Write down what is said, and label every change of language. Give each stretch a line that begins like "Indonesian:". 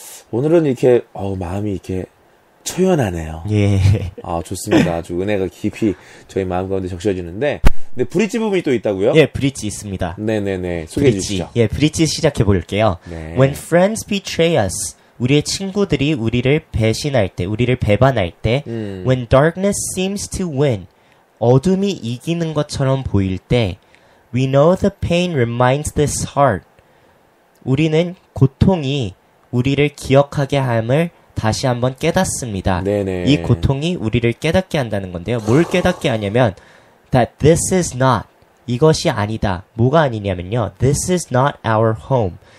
Korean: 오늘은 이렇게 마음이 이렇게 초연하네요. 예. 아 좋습니다. 아주 은혜가 깊이 저희 마음 가운데 적셔지는데. 네, 브릿지 부분이 또 있다고요? 예, 브릿지 있습니다. 네, 네, 네. 소개해 주시죠. 예, 브릿지 시작해 볼게요. 네.
English: When friends betray us,
Korean: 우리의 친구들이 우리를 배신할 때, 우리를 배반할 때,
English: When darkness seems to win,
Korean: 어둠이 이기는 것처럼 보일 때,
English: We know the pain reminds this heart.
Korean: 우리는 고통이 우리를 기억하게 함을 다시 한번 깨닫습니다. 네네. 이 고통이 우리를 깨닫게 한다는 건데요. 뭘 깨닫게 하냐면,
English: that this is not,
Korean: 이것이 아니다. 뭐가 아니냐면요.
English: This is not our home.